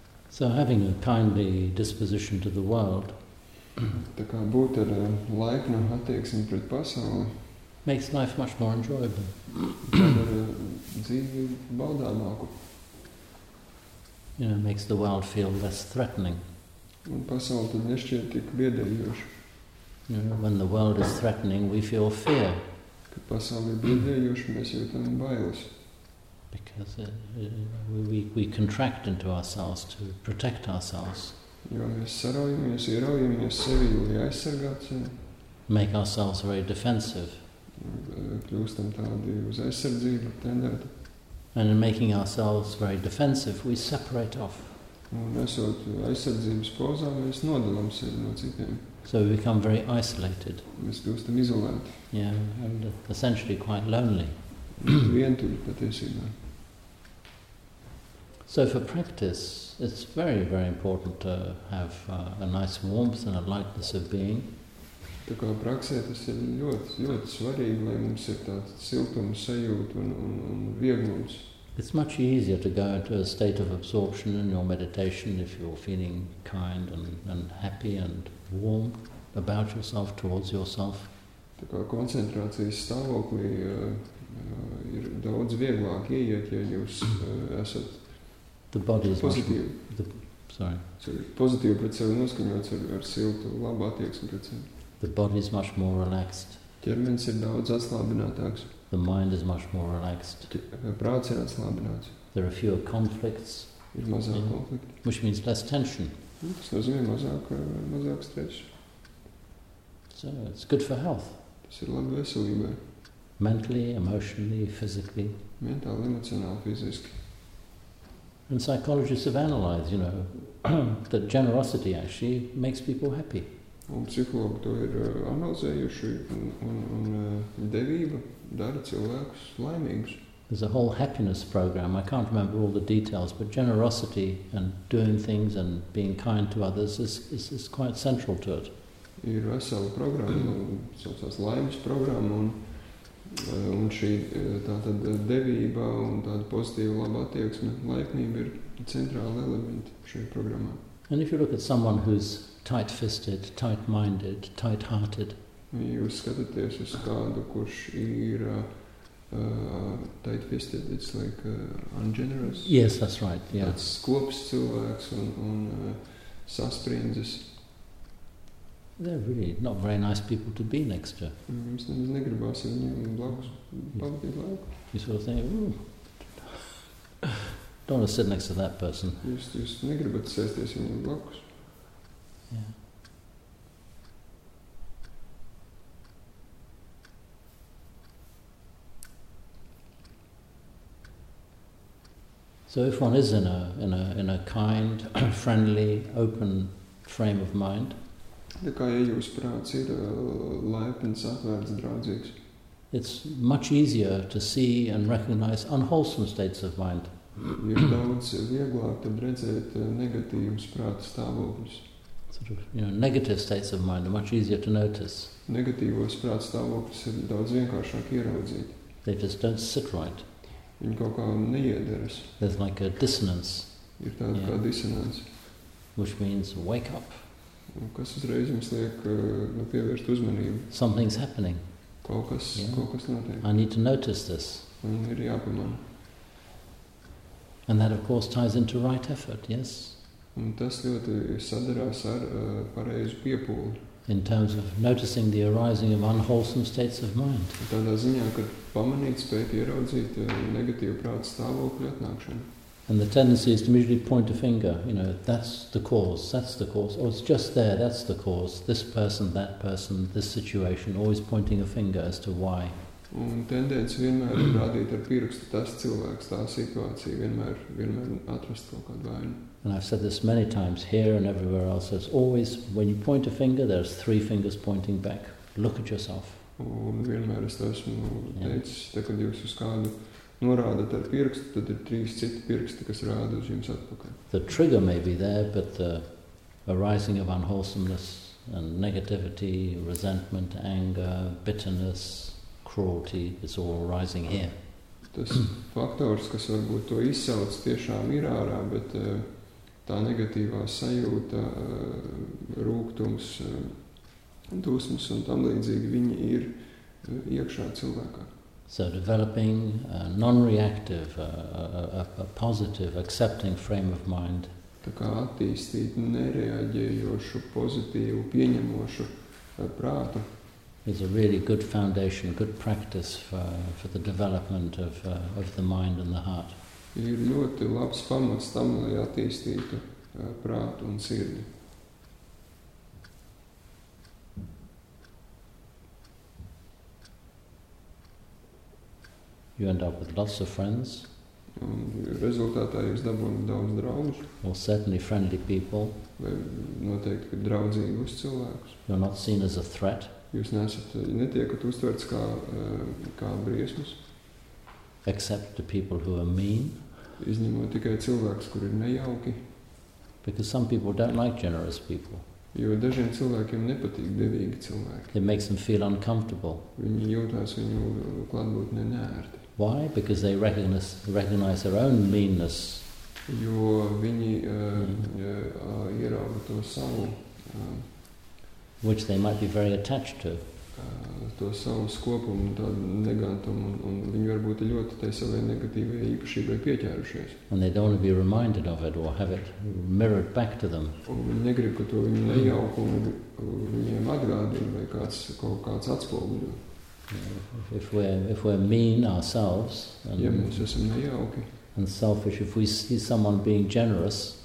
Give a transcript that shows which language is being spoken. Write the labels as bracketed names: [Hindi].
[English] So having a kindly disposition to the world [Latvian] tā kā būt ar laipnu attieksmi pret pasauli [English] makes life much more enjoyable. [Latvian] Dzīvi baudāmāku. [English] You know, makes the world feel less threatening. [Latvian] Un pasauli tad nešķiet tik biedējoši. [English] You know, when the world is threatening, we feel fear. [Latvian] Kad pasauli ir biedējoši, mēs jūtam bailes. [English] Because we contract into ourselves to protect ourselves. [Latvian] Jo mēs saraujamies, ieraujamies sevi, lai aizsargāt sevi. [English] Make ourselves very defensive. [Latvian] Kļūstam tādi uz aizsardzību tendēti. [English] And in making ourselves very defensive, we separate off. [Latvian] Un esot aizsardzības pozā, mēs nodalām sevi no citiem. [English] So we become very isolated. [Latvian] Mēs kļūstam izolēti. [English] Yeah, and essentially quite lonely. [Latvian] Vientuļi patiesībā. [English] So for practice, it's very, very important to have a nice warmth and a lightness of being. [Latvian] Tā kā praksē tas ir ļoti, ļoti svarīgi, lai mums ir tāds siltums sajūta un vieglums. [English] It's much easier to go into a state of absorption in your meditation if you're feeling kind and happy and warm about yourself, towards yourself. [Latvian] Tā kā koncentrācijas stāvoklī ir daudz vieglāk ieiet, ja jūs esat pozitīvi pret sevi noskaņots ar siltu, labu attieksmi pret sevi. [English] The body is much more relaxed. [Latvian] Ķermenis ir daudz atslābinātāks. [English] The mind is much more relaxed. [Latvian] Prāts ir atslābināts. [English] There are fewer conflicts. [Latvian] Ir mazāk konflikti. [English] Which means less tension. [Latvian] Tas nozīmē mazāk stresu. [English] So it's good for health. [Latvian] Tas ir labi veselībai. [English] Mentally, emotionally, physically. [Latvian] Mentāli, emocionāli, fiziski. [English] And psychologists have analyzed, you know, that generosity actually makes people happy. [Latvian] Un psihologi to ir analizējuši un devība dara cilvēkus laimīgus. [English] There's a whole happiness program. I can't remember all the details, but generosity and doing things and being kind to others is quite central to it. [Latvian] Ir vesela programma, saucās laimes programma, un šī tātad devība un tāda pozitīva laba attieksme, laipnība ir centrāla elementa šajā programmā. [English] And if you look at someone who's tight-fisted, tight-minded, tight-hearted. [Latvian] Jūs skatāties uz kādu, kurš ir [English] tight-fisted, it's like ungenerous. Yes, that's right, yeah. [Latvian] Tāds skops cilvēks un saspriendzis. [English] They're really not very nice people to be next to. [Latvian] Jums nemaz negribas viņiem blakus pavadīt laiku. [English] You sort of think, don't want to sit next to that person. [Latvian] Jūs negribat sēsties viņiem blakus. [English] So if one is in a kind, friendly, open frame of mind, [Latvian] tā kā, ja jūs prāts ir laipns, atvērts, draudzīgs, [English] it's much easier to see and recognize unwholesome states of mind. [Latvian] Ir daudz vieglāk tad redzēt negatīvus prāta stāvokļus. [English] Sort of, you know, negative states of mind are much easier to notice. [Latvian] Negatīvos prāta stāvokļus ir daudz vienkāršāk ieraudzīt. [English] They just don't sit right. [Latvian] Viņi kaut kā neiederas. [English] There's like a dissonance. [Latvian] Ir tāda kā disonance. [English] Which means wake up. [Latvian] Un kas uzreiz jums liek pievērst uzmanību. [English] Something's happening. [Latvian] Kaut kas notiek. [English] I need to notice this. [Latvian] Un ir jāpamana. [English] And that of course ties into right effort, yes? [Latvian] Un tas ļoti sadarās ar pareizu piepūli. [English] In terms of noticing the arising of unwholesome states of mind. [Latvian] Tādā ziņā, kad pamanīt, spēt ieraudzīt negatīvu prātu stāvokļu atnākšanu. [English] And the tendency is to usually point a finger, you know, that's the cause, or it's just there, that's the cause, this person, that person, this situation, always pointing a finger as to why. [Latvian] Un tendence vienmēr ir rādīt ar pirkstu tas cilvēks, tā situācija, vienmēr atrast kaut kādu vainu. [English] And I've said this many times here and everywhere else. It's always when you point a finger, there's three fingers pointing back. Look at yourself. [Latvian] Un vienmēr es esmu teicis, kad jūs uz kādu norādat ar pirkstu, tad ir trīs citi pirksti, kas rāda uz jums atpakaļ. [English] The trigger may be there, but the arising of unwholesomeness and negativity, resentment, anger, bitterness, cruelty, it's all arising here. [Latvian] Tas faktors, kas varbūt to izsauc, tiešām ir ārā, bet tā negatīvā sajūta, rūgtums, dusmas un tam līdzīgi, viņi ir iekšā cilvēkā. [English] So developing a non-reactive, a positive, accepting frame of mind. [Latvian] Tā kā attīstīt nereaģējošu, pozitīvu, pieņemošu prātu. [English] Is a really good foundation, good practice for the development of the mind and the heart. [Latvian] Ir ļoti labs pamats tam, lai attīstītu prātu un sirdi. [English] You end up with lots of friends. [Latvian] Un rezultātā jūs dabūjat daudz draugus. [English] Or certainly friendly people. [Latvian] Vai noteikti kad draudzīgus cilvēkus. [English] You're not seen as a threat. [Latvian] Jūs neesat, netiekat uztverts kā, kā briesmas. [English] Except the people who are mean. [Latvian] Izņemot tikai cilvēkus, kuri ir nejauki. [English] Because some people don't like generous people. [Latvian] Jo dažiem cilvēkiem nepatīk devīgi cilvēki. [English] It makes them feel uncomfortable. [Latvian] Viņi jūtās viņu klātbūtnē neērti. [English] Why? Because they recognize their own meanness. [Latvian] Jo viņi ierauga to savu, [English] which they might be very attached to. [Latvian] To savu skopumu, tādu negantumu, un viņi varbūt ļoti tai savai negatīvajai īpašībai pieķērušies. [English] And they don't want to be reminded of it or have it mirrored back to them. [Latvian] Un viņi negrib, ka to viņu nejaukumu viņiem atgādina vai kāds, kaut kāds atspoguļo. [English] If we're mean ourselves, [Latvian] and, ja mēs esam nejauki, [English] and selfish, if we see someone being generous,